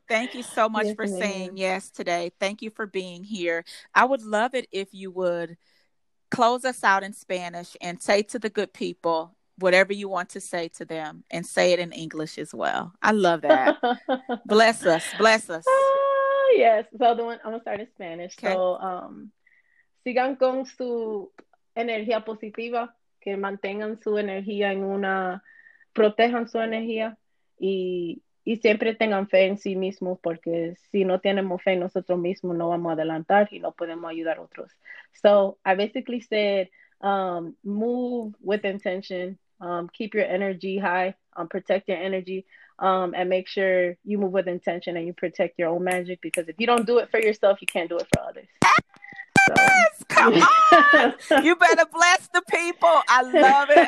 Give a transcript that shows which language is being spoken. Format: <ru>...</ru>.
<en>Thank you so much for saying yes today. Thank you for being here. I would love it if you would close us out in Spanish and say to the good people whatever you want to say to them, and say it in English as well. I love that. Bless us. Bless us. Yes. So the one I'm going to start in Spanish. Okay.</en> <es>So, sigan con su energía positiva, que mantengan su energía en una, protejan su energía y siempre tengan fe en sí mismos, porque si no tenemos fe en nosotros mismos, no vamos a adelantar y no podemos ayudar a otros.</es> <en>So I basically said, move with intention. Keep your energy high, protect your energy, and make sure you move with intention and you protect your own magic, because if you don't do it for yourself, you can't do it for others. So. Come on. You better bless the people. I love it.</en>